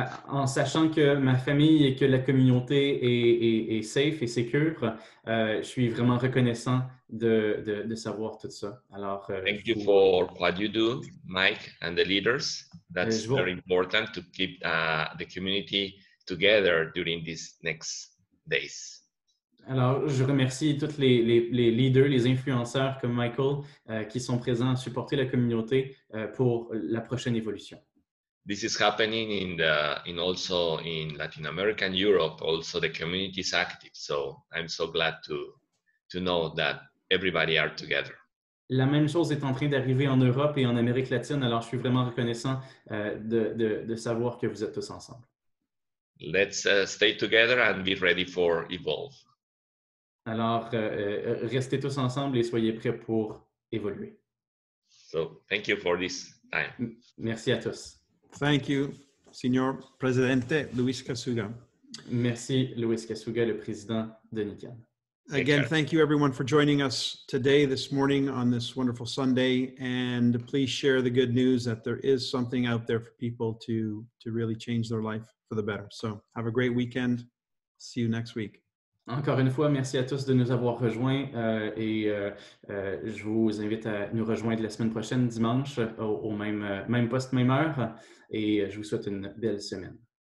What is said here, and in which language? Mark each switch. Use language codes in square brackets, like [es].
[fr] En sachant que ma famille et que la communauté est safe et sécure, je suis vraiment reconnaissant de savoir tout ça. Alors, [en] thank you for what you do, Mike, and the leaders. That's very important to keep the community together during these next days. [fr] Alors, je remercie tous les leaders, les influenceurs comme Michael, qui sont présents à supporter la communauté pour la prochaine évolution. [en] This is happening in Latin America and Europe. Also, the community is active. So I'm so glad to know that everybody are together. [fr] La même chose est en train d'arriver en Europe et en Amérique latine. Alors, je suis vraiment reconnaissant de savoir que vous êtes tous ensemble. [en] Let's stay together and be ready for evolve. [fr] Alors, restez tous ensemble et soyez prêts pour évoluer. [en] So, thank you for this time. [fr] Merci à tous. [en] Thank you, Señor Presidente Luis Kasuga. [fr] Merci, Luis Kasuga, le président de NICAN. [en] Again, thank you everyone for joining us today, this morning, on this wonderful Sunday. And please share the good news that there is something out there for people to really change their life for the better. So, have a great weekend. See you next week. [fr] Encore une fois, merci à tous de nous avoir rejoints je vous invite à nous rejoindre la semaine prochaine, dimanche, au même poste, même heure, et je vous souhaite une belle semaine.